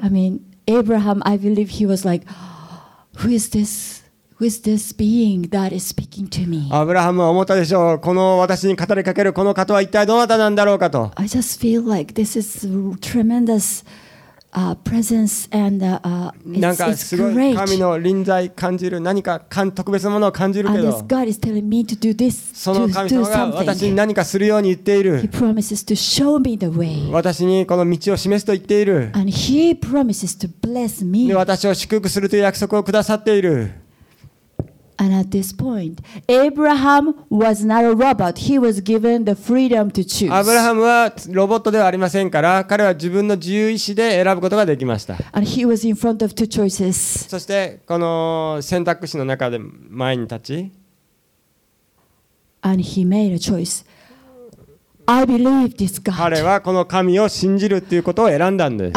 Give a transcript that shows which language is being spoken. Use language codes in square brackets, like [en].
[en] I mean, Abraham, I believe he was like, who is this? Who is this being that is speaking to me? [ja] アブラハムは思ったでしょう。この私に語りかけるこの方は一体どなたなんだろうかと。 [en] I just feel like this is tremendous. Presence and it's great. [ja] 神の臨在感じる何か特別なものを感じるけど。 [en] And this God is telling me to do this. [ja] その神様が私に何かするように言っている。 [en] He promises to show me the way. [ja] 私にこの道を示すと言っている。 [en] And he promises to bless me. [ja] で私を祝福するという約束をくださっている。 [en] And at this point, Abraham was not a robot. He was given the freedom to choose. [ja] Abraham はロボットではありませんから、彼は自分の自由意志で選ぶことができました。 [en] And he was in front of two choices. [ja] そしてこの選択肢の中で前に立ち、 [en] And he made a choice. I believe this God. [ja] 彼はこの神を信じるということを選んだんです。